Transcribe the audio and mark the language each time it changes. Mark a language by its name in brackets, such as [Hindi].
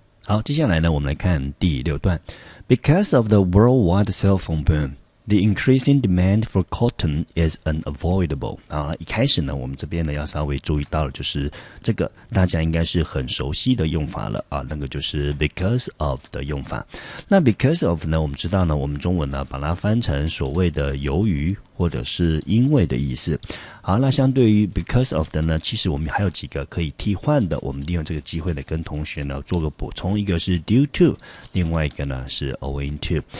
[Chinese] 好，接下来呢，我们来看第六段。 [English] Because of the worldwide cell phone boom, the increasing demand for cotton is unavoidable. [Chinese] 啊，一开始呢，我们这边呢要稍微注意到的就是这个大家应该是很熟悉的用法了啊，那个就是 because of 的用法。那 because of 呢，我们知道呢，我们中文呢把它翻成所谓的由于或者是因为的意思。好，那相对于 because of 的呢，其实我们还有几个可以替换的，我们利用这个机会呢跟同学呢做个补充，一个是 due to， 另外一个呢是 owing to。